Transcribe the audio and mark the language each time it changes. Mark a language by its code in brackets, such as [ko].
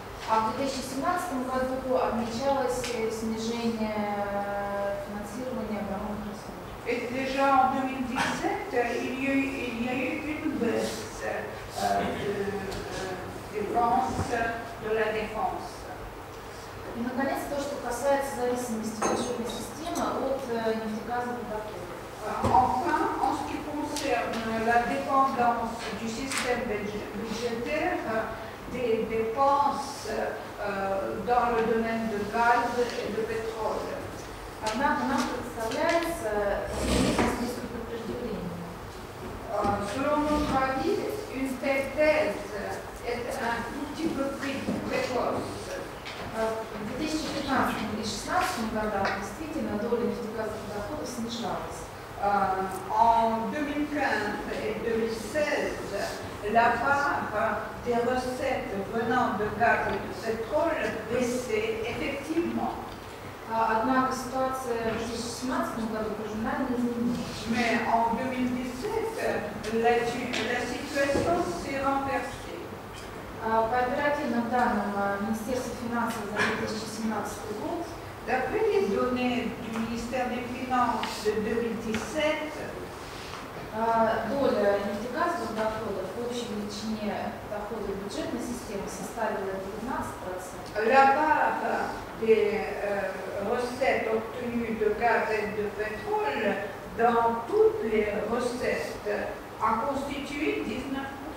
[ru] А в 2017 году отмечалось снижение финансирования оборонных расходов. [fr] Et déjà en 2017, il y a eu une baisse de dépenses de la défense. Et [ru] наконец, то, что касается зависимости бюджетной системы от нефтегазовых доходов. [fr] Enfin, en ce qui concerne la dépendance du système budgétaire, des dépenses dans le domaine de gaz et de pétrole. [ru] Однако нам представляется несколько предупреждений. [fr] Selon notre avis, une telle thèse est un petit peu précoce. [ru] В 2015 и 2016 годах действительно доля нефтегазовых доходов снижалась. [fr] En 2015 et 2016, la part des recettes venant de gaz et de pétrole baissait effectivement. [ru] Однако ситуация в 2017 году кардинально изменилась. [fr] Mais en 2017, la situation s'est renversée. [ru] По оперативным данным Министерства финансов за 2017 год, [fr] d'après les données du ministère des Finances de 2017, [ru] доля нефтегазовых доходов в общей величине доходов бюджетной системы составила 12%. [fr] La part des recettes obtenues de gaz et de pétrole dans toutes les recettes a constitué 19%.